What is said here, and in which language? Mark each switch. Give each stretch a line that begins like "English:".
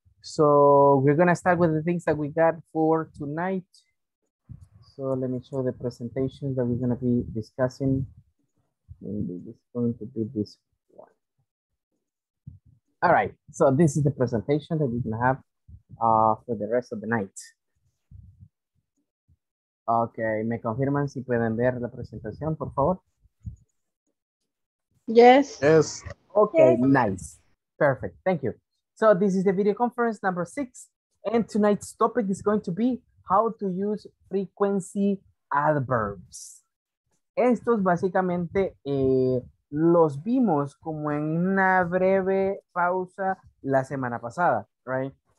English: So we're going to start with the things that we got for tonight. So let me show the presentation that we're gonna be discussing. Maybe it's going to be this one. All right, so this is the presentation that we're gonna have for the rest of the night.
Spanish: Okay, me confirman si pueden ver la presentación, por favor?
English: Yes. Yes. Okay, yes. Nice. Perfect, thank you. So this is the video conference number 6, and tonight's topic is going to be how to use frequency adverbs.
Spanish: Estos básicamente los vimos como en una breve pausa la semana pasada, right?